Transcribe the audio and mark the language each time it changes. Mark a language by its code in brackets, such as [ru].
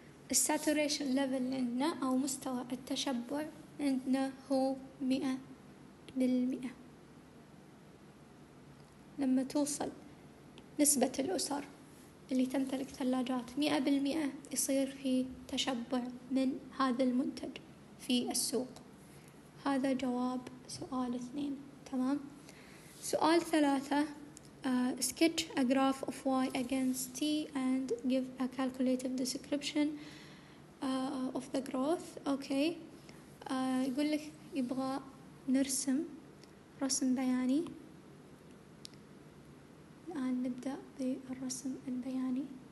[ar] الساتوريشن ليفل عندنا أو مستوى التشبع عندنا هو 100%. لما توصل نسبة الأسر اللي تمتلك ثلاجات 100% يصير في تشبع من هذا المنتج في السوق. هذا جواب سؤال 2، تمام؟ سؤال 3، [en] sketch a graph of y against t and give a calculative description of the growth. Okay. [ar] يقول لك يبغى نرسم رسم بياني. الآن نبدأ بالرسم البياني.